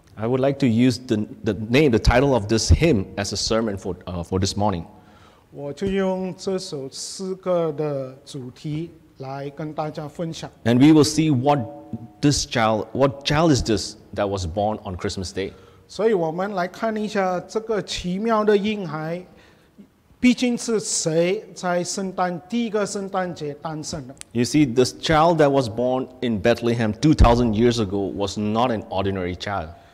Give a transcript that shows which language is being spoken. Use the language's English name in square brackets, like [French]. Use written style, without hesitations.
[English] I would like to use the title of this hymn as a sermon for this morning. [Chinese] 我就用这首诗歌的主题来跟大家分享. [English] And we will see what child is this that was born on Christmas Day. [Chinese] 所以我们来看一下这个奇妙的婴孩，毕竟是谁在圣诞第一个圣诞节诞生的. [English] You see, this child that was born in Bethlehem 2,000 years ago was not an ordinary child.